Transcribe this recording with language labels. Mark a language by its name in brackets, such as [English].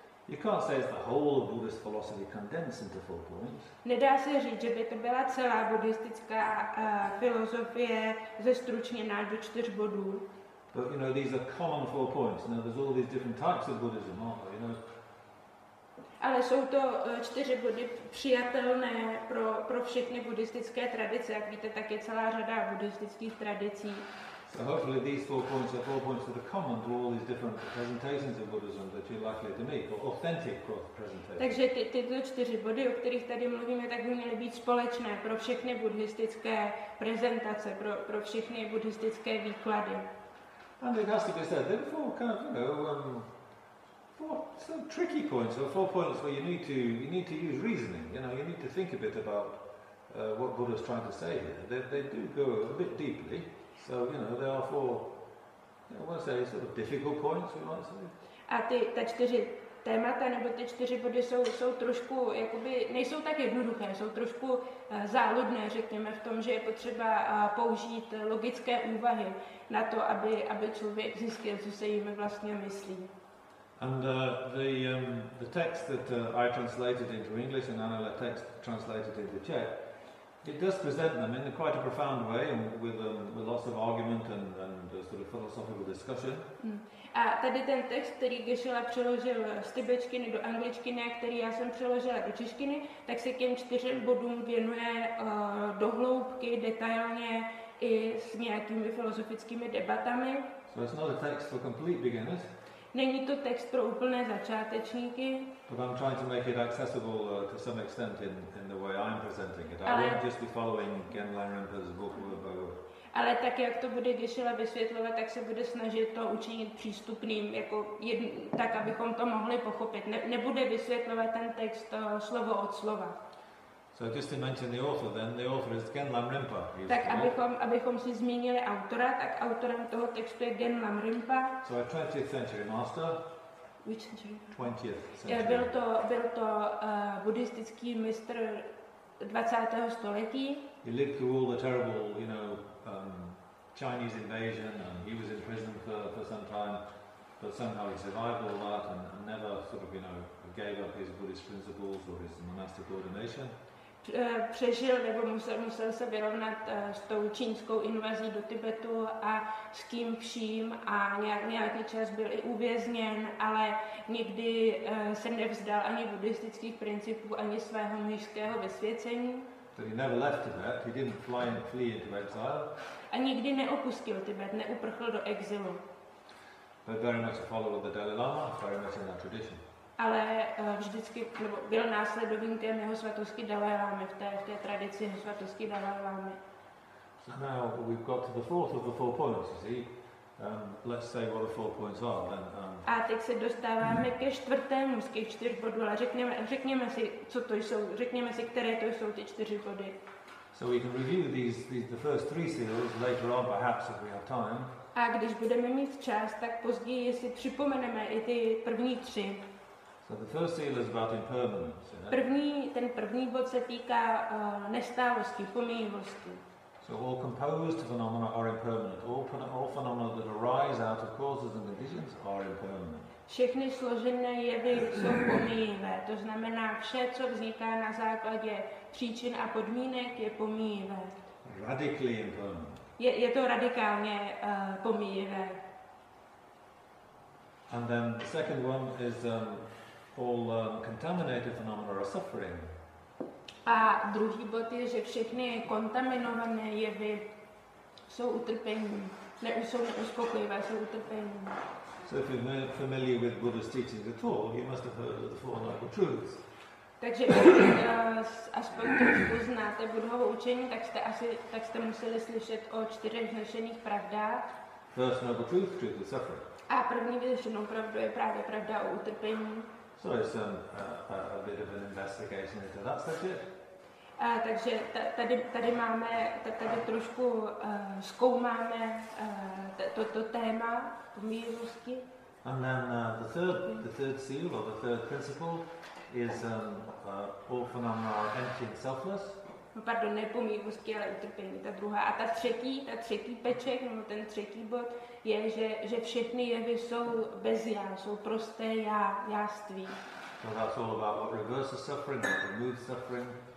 [English] You can't say it's the whole of Buddhist philosophy condensed into four points. [Czech] Nedá se říct, že by to byla celá buddhistická filozofie zestručněná do čtyř bodů. [English] But you know, these are common four points. Now there's all these different types of Buddhism, aren't there? You know. [Czech] Ale jsou to čtyři body přijatelné pro všechny buddhistické tradice, jak víte, tak je celá řada buddhistických tradicí. [English] So hopefully these four points are four points that are common to all these different presentations of Buddhism that you're likely to meet, or authentic presentations. [Czech] Takže tyto čtyři body, o kterých tady mluvíme, tak by měly být společné pro všechny buddhistické prezentace, pro všechny buddhistické výklady. [English] And it has to be said, they're four kind of, you know, four some tricky points, or four points where you need to use reasoning, you know, you need to think a bit about what Buddha's trying to say here. They do go a bit deeply. So, you know, there are four, you know, I want to say, sort of difficult points, we might say. [Czech] A ta čtyři témata, nebo ty čtyři body jsou trošku, jakoby, nejsou tak jednoduché, jsou trošku záludné, řekněme, v tom, že je potřeba použít logické úvahy na to, aby člověk zjistil, co se jim vlastně myslí. [English] And the text that I translated into English and Anela text translated into Czech, it does present them in quite a profound way, with lots of argument and sort of philosophical discussion. [Czech] A tady ten text, který Geshe-la přeložil z tibetštiny do angličtiny, a který já jsem přeložila do češtiny, tak se těm čtyřem bodům věnuje do hloubky, detailně i s nějakými filozofickými debatami. [English] So it's not a text for complete beginners. [Czech] Není to text pro úplné začátečníky. [English] But I'm trying to make it accessible to some extent in the way I'm presenting it. I won't just be following Genlan Rinpoche's book word by word. [Czech] Ale tak jak to bude Geshe-la vysvětlovat, tak se bude snažit to učinit přístupným, jako tak abychom to mohli pochopit. Nebude vysvětlovat ten text slovo od slova. [English] So just to mention the author, then the author is Genlan Rinpoche. [Czech] Tak abychom si zmínili autora, tak autorem toho textu je Genlan Rinpoche. [English] So a 20th century master. Which century? 20th century. [Czech] Byl to buddhistický mistr 20. století. [English] He lived through all the terrible, you know, Chinese invasion, and he was in prison for some time, but somehow he survived all that and never sort of, you know, gave up his Buddhist principles or his monastic ordination. [Czech] Přežil nebo musel se vyrovnat s tou čínskou invazí do Tibetu a s kým vším a nějaký čas byl i uvězněn, ale nikdy se nevzdal ani buddhistických principů, ani svého mnišského vysvěcení. [English] But he never left Tibet. He didn't flee into exile. [Czech] A nikdy neopustil Tibet, neuprchl do exilu. [English] But very much a follower of the Dalai Lama, very much in that tradition. [Czech] Ale vždycky byl následovníkem jeho svatosti Dalai Lamy, v té tradici jeho svatosti Dalai Lamy. [English] So now we've got to the fourth of the four points, you see. Let's say what the four points are then. [Czech] A teď se dostáváme ke čtvrtému z těch čtyř bodů. A řekněme si, co to jsou. Řekněme si, které to jsou ty čtyři body. [English] So we can review these the first three seals later on, perhaps if we have time. [Czech] A když budeme mít čas, tak později si připomeneme i ty první tři. [English] So the first seal is about impermanence. Yeah? [Czech] Ten první bod se týká nestálosti, pomíjivosti. [English] So all composed phenomena are impermanent. All phenomena that arise out of causes and conditions are impermanent. [Czech] Všechny složené jevy jsou pomíjivé. To znamená, vše, co vzniká na základě příčin a podmínek, je pomíjivé. [English] Radically impermanent. [Czech] Je to radikálně pomíjivé. [English] And then the second one is all contaminated phenomena are suffering. [Czech] A druhý bod je, že všechny kontaminované jevy jsou utrpením. Jsou neuspokojivé, jsou utrpením. [English] So if you're familiar with Buddha's teachings at all, you must have heard of the Four Noble Truths. [Czech] Takže pokud aspoň trošku znáte Buddhovo učení, tak jste museli slyšet o čtyřech vznešených pravdách. [English] First noble truth is suffering. [Czech] A první vznešenou pravdu je právě pravda o utrpení. [English] So it's a bit of an investigation into that subject. [Czech] Takže tady máme, tady trošku zkoumáme to téma pomíjivosti. [English] And then the third seal or the third principle is all phenomena are empty and selfless. [Czech] No pardon, ne pomíjivosti, ale utrpení, ta druhá. A ta třetí peček, nebo ten třetí bod, je, že všechny jevy jsou bez já, jsou prosté jáství. [English] So that's all about what reverses suffering, what removes suffering.